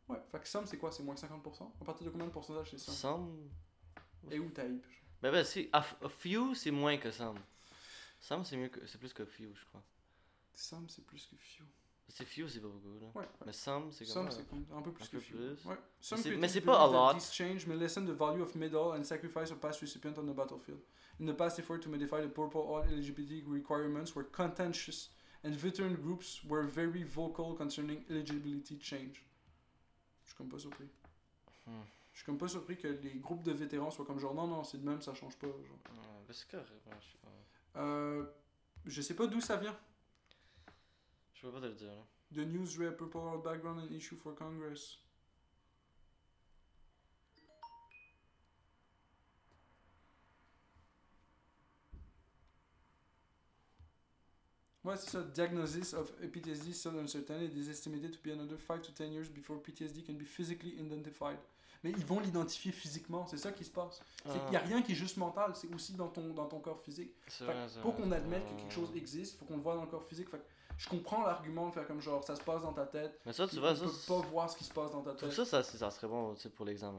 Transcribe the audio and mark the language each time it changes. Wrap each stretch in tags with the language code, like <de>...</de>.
<fr>Ouais, fait que somme, c'est quoi? C'est moins que 50%? À partir de combien de pourcentage c'est somme? Somme? Et où type? Ben, si,</fr> <en>a few,</en> <fr>c'est moins que somme. Somme, c'est mieux que, c'est plus que few, je crois. Somme, c'est plus que few. C'est few, c'est pas beaucoup, là. Ouais. Mais somme, c'est comme ça. Somme, c'est un peu plus un que few. Plus. Ouais. Some mais c'est pas</fr> <en>a lot. These change may lessen the value of medal and sacrifice of past recipient on the battlefield. In the past effort to modify the purple all eligibility requirements were contentious. And veteran groups were very vocal concerning eligibility change.</en> <fr>Je suis comme pas surpris. Je suis comme pas surpris que les groupes de vétérans soient comme genre non, non, c'est de même, ça change pas. Genre. Mais c'est carré, je sais pas. Je sais pas d'où ça vient. Je peux pas te le dire.</fr> <en>The news read Purple Heart background and issue for Congress.</en> <fr>Ouais, c'est ça.</fr> <en>Diagnosis of PTSD is still uncertain. It is estimated to be another 5 to 10 years before PTSD can be physically identified.</en> <fr>Mais ils vont l'identifier physiquement. C'est ça qui se passe. Il n'y a rien qui est juste mental. C'est aussi dans ton corps physique. C'est vrai, c'est pour qu'on admette que quelque chose existe, il faut qu'on le voit dans le corps physique. Fait que je comprends l'argument de faire comme genre, ça se passe dans ta tête. Mais ça, tu vois, ça. Tu peux pas voir ce qui se passe dans ta tête. Tout ça, ça serait bon, tu sais, pour l'examen.</fr>